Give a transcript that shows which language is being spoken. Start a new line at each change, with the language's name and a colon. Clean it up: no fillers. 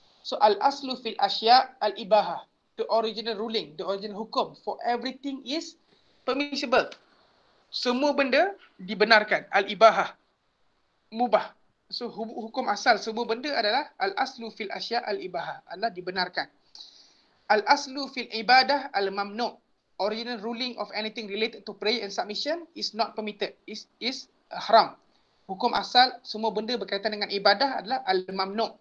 English: So,
Arabic: al-aslu fil asya' al-ibaha.
English: The original ruling, the original hukum. For everything is permissible.
Malay: Semua benda dibenarkan.
English: Al-ibaha. Mubah.
Malay: So, hukum asal semua benda adalah
Arabic: al-aslu fil asya' al-ibaha.
Malay: Adalah dibenarkan.
Arabic: Al-aslu fil ibadah al-mamnu'.
English: Original ruling of anything related to prayer and submission is not permitted. Is haram.
Malay: Hukum asal semua benda berkaitan dengan ibadah adalah al-mamnu'.